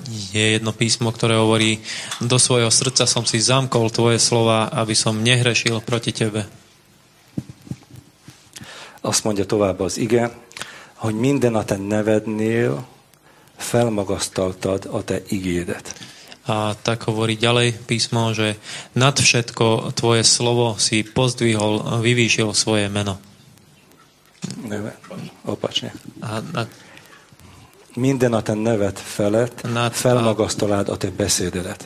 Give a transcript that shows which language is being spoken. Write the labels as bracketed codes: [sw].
[sk] Je jedno písmo, ktoré hovorí, do svojho srdca som si zamkol tvoje slova, aby som nehrešil proti tebe. [hu] Azt mondja tovább az ige, hogy minden a te nevednél felmagasztaltad a te igédet. [sk] A tak hovorí ďalej písmo, že nad všetko tvoje slovo si pozdvihol, vyvýšil svoje meno. [hu] Neve, [sk] opačne. [hu] Minden a ten nevet felett felmagasztalád a te beszédedet.